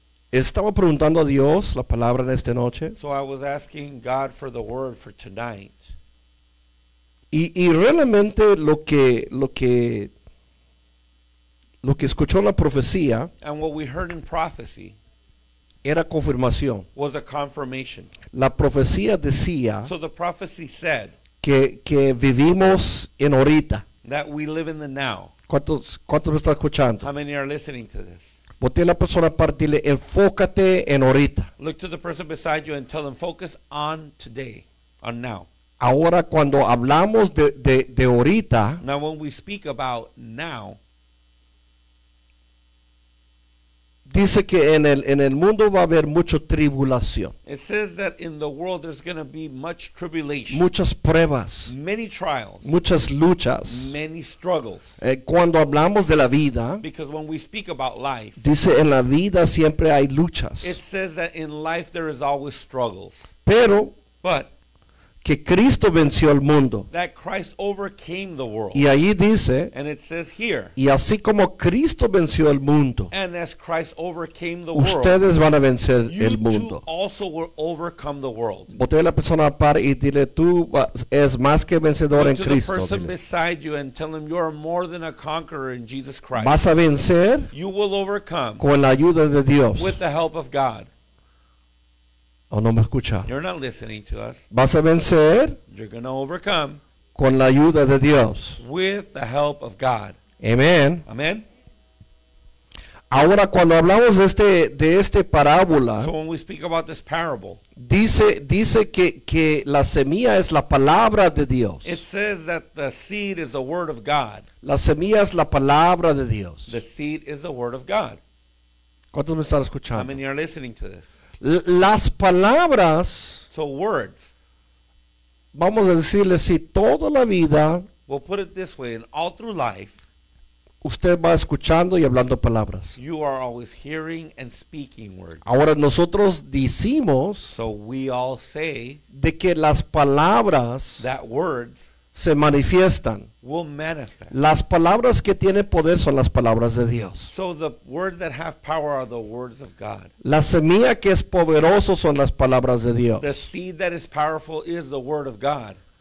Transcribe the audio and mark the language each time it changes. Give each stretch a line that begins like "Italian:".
Spanish: Estaba preguntando a Dios la palabra en esta noche.
English: So I was asking God for the word for tonight.
Spanish: Y realmente lo que escuchó la profecía.
English: And what we heard in prophecy.
Spanish: Era confirmación.
English: Was a confirmation.
Spanish: La profecía decía.
English: So the prophecy said.
Spanish: Que vivimos en ahorita.
English: That we live in the now.
Spanish: ¿Cuántos me están escuchando?
English: How many are listening to this?
Spanish: Voltea a la persona para decirle, enfócate en ahorita.
English: Look to the person beside you and tell them, focus on today, on now.
Spanish: Ahora cuando hablamos de ahorita.
English: Now when we speak about now.
Spanish: Dice que en el mundo va a haber mucha tribulación.
English: It says that in the world there's going to be much tribulation.
Spanish: Muchas pruebas.
English: Many trials.
Spanish: Muchas luchas.
English: Many struggles.
Spanish: Cuando hablamos de la vida.
English: Because when we speak about life.
Spanish: Dice en la vida siempre hay luchas.
English: It says that in life there is always struggles.
Spanish: Pero.
English: But.
Spanish: Que Cristo venció el mundo.
English: That Christ overcame the world.
Spanish: Y ahí dice.
English: And it says here.
Spanish: Y así como Cristo venció el mundo.
English: And as Christ overcame the
Spanish: ustedes
English: world.
Spanish: Ustedes van a vencer el mundo.
English: You too also will overcome the world.
Spanish: Voltea a la persona a par y dile tú es más que vencedor en Cristo.
English: Look to the person
Spanish: dile.
English: Beside you and tell him you are more than a conqueror in Jesus Christ.
Spanish: Vas a vencer.
English: You will overcome.
Spanish: Con la ayuda de Dios.
English: With the help of God.
Spanish: O no me escucha.
English: You're not listening to us.
Spanish: Vas a vencer.
English: You're going to overcome.
Spanish: Con la ayuda de Dios.
English: With the help of God.
Spanish: Amen.
English: Amen.
Spanish: Ahora cuando hablamos de este parábola.
English: So when we speak about this parable.
Spanish: Dice que la semilla es la palabra de Dios.
English: It says that the seed is the word of God.
Spanish: La semilla es la palabra de Dios.
English: The seed is the word of God.
Spanish: ¿Cuántos me están escuchando?
English: How many are listening to this?
Spanish: Las palabras.
English: So words.
Spanish: Vamos a decirle si toda la vida.
English: We'll put it this way, and all through life.
Spanish: Usted va escuchando y hablando palabras.
English: You are always hearing and speaking words.
Spanish: Ahora nosotros decimos.
English: So we all say.
Spanish: De que las palabras.
English: That words.
Spanish: se manifiestan.
English: Will manifest.
Spanish: Las palabras que tienen poder son las palabras de Dios.
English: So the words that have power are the words of God.
Spanish: La semilla que es poderoso son las palabras de Dios.
English: The seed that is powerful is the word of God.